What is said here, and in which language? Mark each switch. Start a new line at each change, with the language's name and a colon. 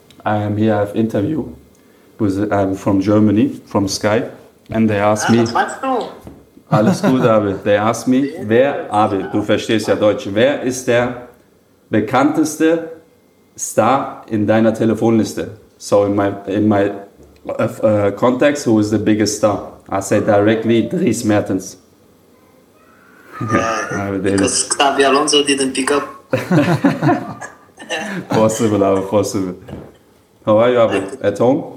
English: I am here, I have interview with from Germany, from Skype, and they asked me...
German: Was machst du? Alles gut, Abe.
English: They asked me,
German: wer, Abe, du verstehst ja Deutsch, wer ist der bekannteste Star in deiner Telefonliste?
English: So in my context, who is the biggest star? I said directly, Dries Mertens. Because Xavi Alonso didn't pick up. Possible, Abel, possible. How are you, Abel? At home?